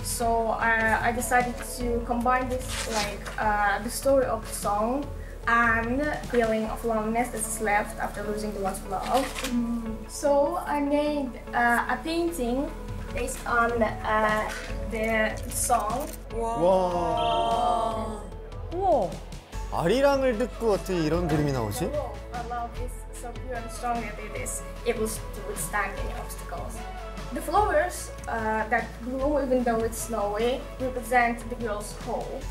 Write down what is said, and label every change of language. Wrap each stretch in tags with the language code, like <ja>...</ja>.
<en>So I decided to combine this like the story of the song and feeling of loneliness that is left after losing the ones we love. Mm. So I made a painting based on the song. Wow! Wow!</en> <ko>아리랑을 듣고 어떻게 이런 그림이 나오지?</ko> <en>The love is so pure and strong that it is able to withstand any obstacles. The flowers that bloom even though it's snowy represent the girl's hope.</en>